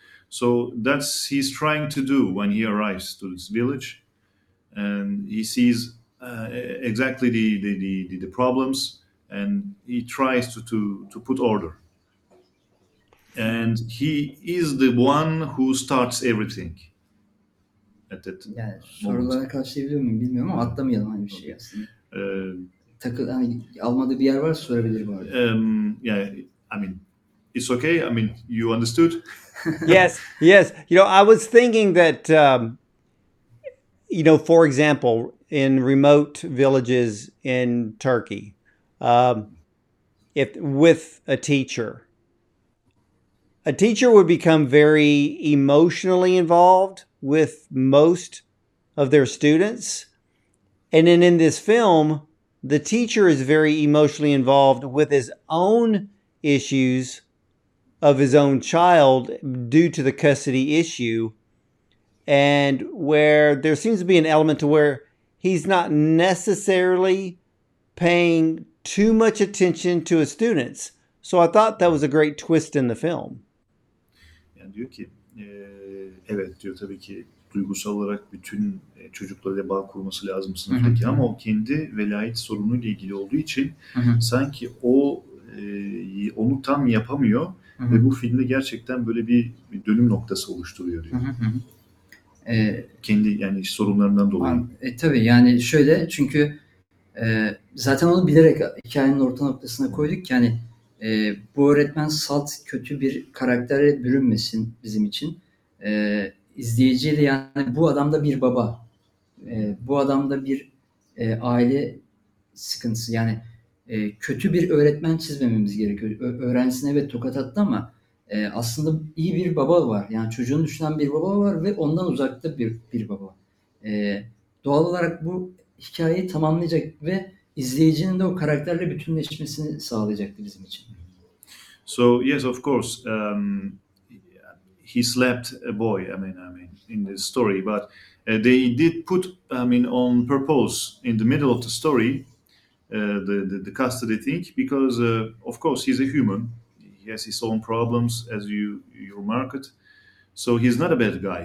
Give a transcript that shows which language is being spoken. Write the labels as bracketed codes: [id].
[en] So that's he's trying to do when he arrives to this village. And he sees exactly the problems, and he tries to put order. And he is the one who starts everything. At that [tr] yani sorulara karşılayabiliyor muyum bilmiyorum ama atlamayalım aynı bir şey aslında. Almadığı bir yer var sorabilir bu arada. [en] Yeah, I mean, it's okay. I mean, you understood? Yes, yes. You know, I was thinking that, you know, for example, in remote villages in Turkey, if with a teacher would become very emotionally involved with most of their students. And then in this film, the teacher is very emotionally involved with his own issues of his own child due to the custody issue, and where there seems to be an element to where he's not necessarily paying too much attention to his students. So I thought that was a great twist in the film. [tr] Yani diyor ki, evet diyor tabii ki duygusal olarak bütün çocuklarla bağ kurması lazım sınıftaki ama o kendi velayet sorunuyla ilgili olduğu için sanki o onu tam yapamıyor. Ve bu filmde gerçekten böyle bir dönüm noktası oluşturuyor diyor. Kendi yani sorunlarından dolayı. Tabii yani şöyle çünkü zaten onu bilerek hikayenin orta noktasına koyduk ki hani bu öğretmen salt kötü bir karaktere bürünmesin bizim için. İzleyiciye de yani bu adamda bir baba, bu adamda bir aile sıkıntısı yani. Kötü bir öğretmen çizmememiz gerekiyor. Öğrencisine evet tokat attı ama aslında iyi bir baba var. Yani çocuğunu düşünen bir baba var ve ondan uzakta bir baba. Doğal olarak bu hikayeyi tamamlayacak ve izleyicinin de o karakterle bütünleşmesini sağlayacaktı bizim için. [en] So yes, of course. He slapped a boy, I mean, in the story. But they did put, I mean, on purpose in the middle of the story. The custody thing, because of course he's a human, he has his own problems, as you remarked, so he's not a bad guy.